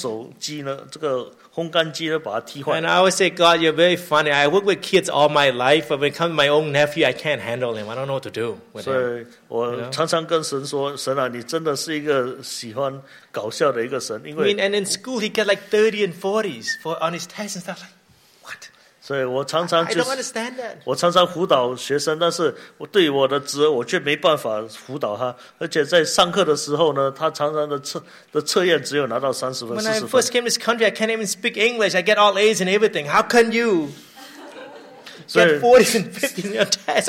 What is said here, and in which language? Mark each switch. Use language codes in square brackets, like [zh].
[zh] 这我们的这个小侄儿呢，甚至到了这个学校的厕所，把这个烘干机呢把它踢坏。 [en] And I always say, God, you're very funny. I work with kids all my life. But when it comes to my own nephew, I can't handle him. I don't know what to do with him. [zh] 所以我常常跟神说，神啊，你真的是一个喜欢搞笑的一个神。因为 [en] I mean, and in school, he got like 30 and 40s for on his tests and stuff like. [zh] 所以我常常就是，我常常辅导学生，但是我对我的侄儿，我却没办法辅导他。而且在上课的时候呢，他常常的测验只有拿到30分、40分。 [en] When I first came to this country, I can't even speak English. I get all A's and everything. How can you get 40s and 50s in your test?